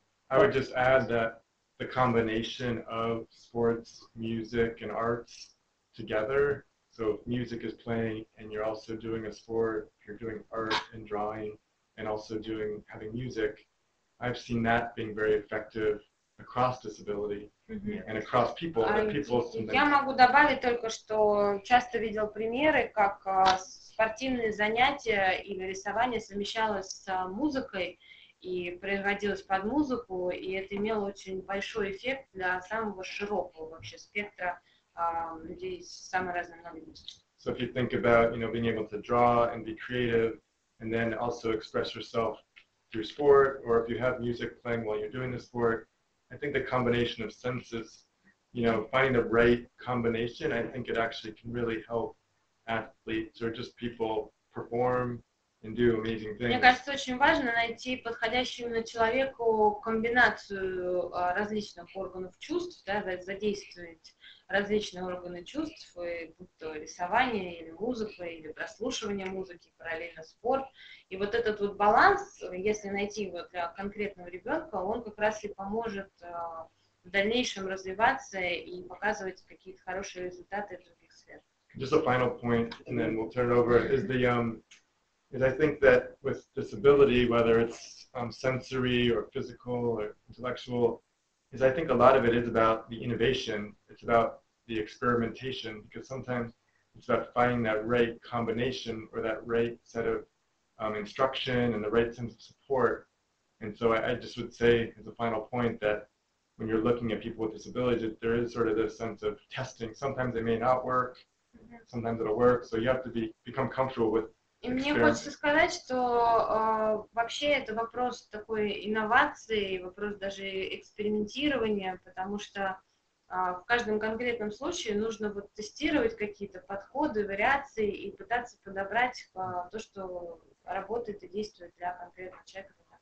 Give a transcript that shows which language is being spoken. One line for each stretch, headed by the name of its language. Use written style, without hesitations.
English: I would just add that the combination of sports, music and arts together, so if music is playing and you're also doing a sport, you're doing art and drawing and also doing having music, I've seen that being very effective across disability and across people.
Russian: Я могу добавить только, что часто видел примеры, как спортивные занятия или рисование совмещалось с музыкой и производилось под музыку, и это имело очень большой эффект для самого широкого вообще спектра людей с самыми разными инвалидностями.
English: So if you think about, you know, being able to draw and be creative and then also express yourself through sport, or if you have music playing while you're doing the sport, I think the combination of senses you know, finding the right combination, I think it actually can really help athletes or just people perform and do amazing things.
Russian: Мне кажется, очень важно найти подходящую именно человеку комбинацию различных органов чувств, да, задействовать различные органы чувств, и будь то рисование, или музыка, или прослушивание музыки, параллельно спорт. И вот этот вот баланс, если найти его для конкретного ребенка, он как раз и поможет в дальнейшем развиваться и показывать какие-то хорошие результаты в других сферах.
English: Just a final point, and then we'll turn over, is the... Is I think that with disability, whether it's sensory or physical or intellectual, is I think a lot of it is about the innovation. It's about the experimentation, because sometimes it's about finding that right combination or that right set of instruction and the right sense of support. And so I just would say as a final point that when you're looking at people with disabilities, there is sort of this sense of testing. Sometimes it may not work, sometimes it'll work. So you have to become comfortable with
Russian: И мне хочется сказать, что вообще это вопрос такой инновации, вопрос даже экспериментирования, потому что в каждом конкретном случае нужно вот тестировать какие-то подходы, вариации и пытаться подобрать то, что работает и действует для конкретного человека.